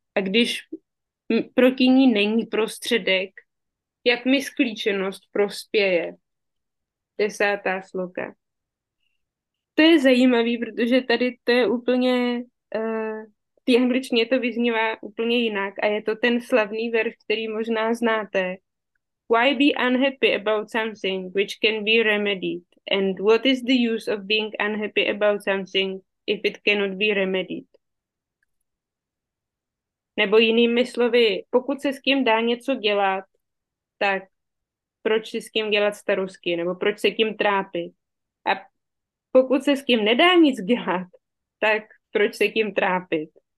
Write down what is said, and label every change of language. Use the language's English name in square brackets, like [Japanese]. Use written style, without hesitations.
[Czech] A když proti ní není prostředek, jak mi sklíčenost prospěje? 10. sloka. To je zajímavý, protože tady to je úplně, v angličtině to vyznívá úplně jinak a je to ten slavný verš, který možná znáte. [English] Why be unhappy about something which can be remedied? And what is the use of being unhappy about something if it cannot be remedied? [Czech] Nebo jinými slovy, pokud se s tím dá něco dělat, tak proč si s tím dělat starosti, nebo proč se tím trápit? A pokud se s tím nedá nic dělat, tak proč se tím trápit?